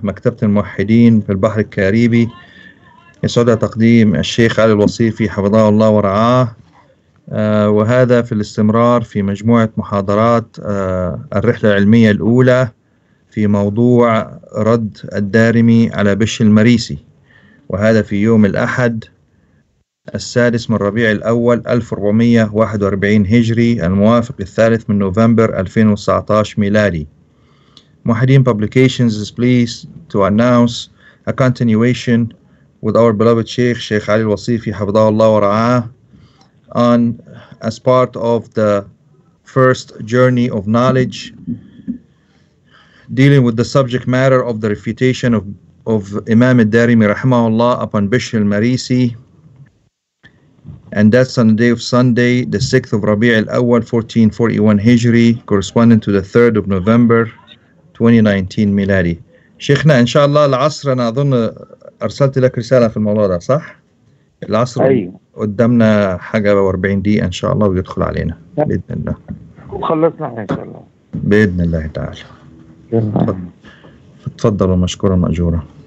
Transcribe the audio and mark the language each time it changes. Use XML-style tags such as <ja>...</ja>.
<ar>مكتبة الموحدين في البحر الكاريبي يسعد تقديم الشيخ علي الوصيفي حفظه الله ورعاه، وهذا في الاستمرار في مجموعة محاضرات الرحلة العلمية الأولى في موضوع رد الدارمي على بش المريسي، وهذا في يوم الأحد السادس من ربيع الأول 1441 هجري الموافق الثالث من نوفمبر 2019 ميلادي.</ar> <en>موحدين Publications is pleased to announce a continuation with our beloved Sheikh, Sheikh Ali Al-Wasifi,</en> <ar>حفظه الله ورعاه,</ar> <en>on as part of the first journey of knowledge dealing with the subject matter of the refutation of Imam al-Darimi رحمه الله upon Bishr al-Marisi. And that's on the day of Sunday, the 6th of Rabi' al-Awwal, 1441 Hijri, corresponding to the 3rd of November, 2019 Miladi.</en> <ar>Sheikhna, inshallah, العصر, أنا أظن أرسلت لك رسالة في الموضوع ده, صح؟ العصر أيوه. قدامنا حاجة بـ40 دقيقة إن شاء الله ويدخل علينا بإذن الله. وخلصنا إن شاء الله. بإذن الله تعالى. تفضل ومشكورا مأجورا.</ar>